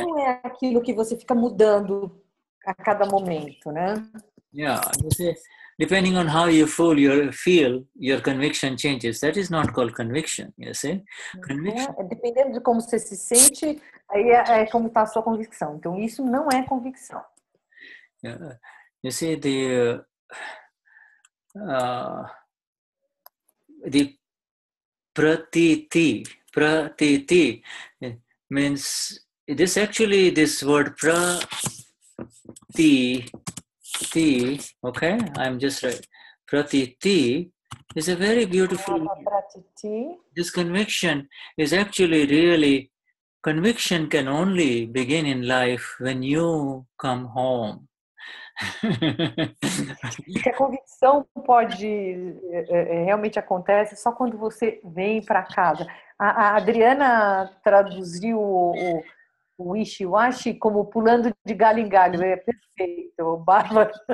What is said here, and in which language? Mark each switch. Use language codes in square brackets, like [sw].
[pt] Então é aquilo que você fica mudando a cada momento, né? [en] Yeah, you see, depending on how you feel, your conviction changes. That is not called conviction, you see? Conviction. [pt] Dependendo de como você se sente, aí é como está a sua convicção. Então, isso não é convicção. Yeah. [en] You see, the pratiti means, this word pra, Pratiti, okay, I'm just right. Pratiti is a very beautiful. Pratiti. This conviction is actually really Conviction can only begin in life when you come home. [pt] A convicção pode realmente acontece só quando você vem para casa. A Adriana traduziu o Ishiwashi como pulando de galho em galho. É perfeito, Bárbara.